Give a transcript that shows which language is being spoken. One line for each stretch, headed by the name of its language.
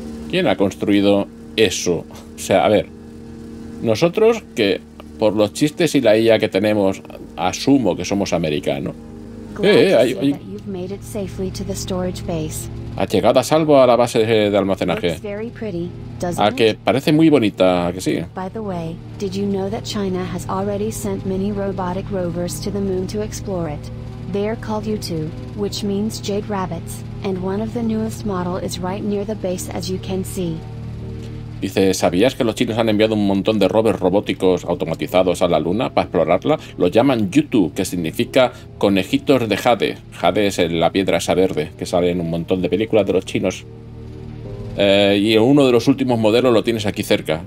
Spanish: ¿Quién ha construido eso? O sea, a ver, nosotros que por los chistes y la IA que tenemos, asumo que somos americanos. Ha llegado a salvo a la base de almacenaje. A que parece muy bonita, ¿a que sí?
English: By the way, did you know that China has already sent many robotic rovers to the moon to explore it? They are called U2, which means Jade Rabbits, and one of the newest model is right near the base, as you can see.
Spanish: Dice, ¿sabías que los chinos han enviado un montón de rovers robóticos automatizados a la luna para explorarla? Lo llaman U2, que significa conejitos de jade. Jade es la piedra esa verde que sale en un montón de películas de los chinos. Y uno de los últimos modelos lo tienes aquí cerca.